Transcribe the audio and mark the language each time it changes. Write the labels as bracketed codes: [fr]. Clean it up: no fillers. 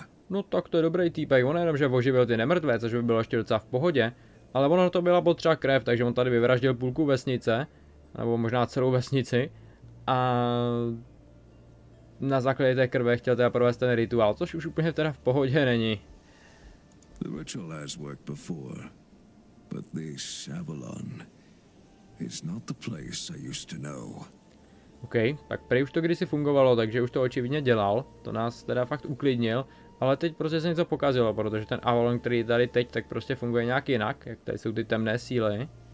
[cs] No tak to je dobrý týpek, on jenom že oživil ty nemrtvé, což by bylo ještě docela v pohodě. Ale ono to byla potřeba krev, takže on tady vyvraždil půlku vesnice. Nebo možná celou vesnici. A na základě té krve chtěl teda provést ten rituál, což už úplně teda v pohodě není. [en] The ritual has worked before, but this Avalon is not the place I used to know. [cs] OK, tak prej už to kdysi fungovalo, takže už to očividně dělal. To nás teda fakt uklidnil. Ale teď prostě se něco pokazilo, protože ten Avalon, který tady teď, tak prostě funguje nějak jinak. Jak tady jsou ty temné síly.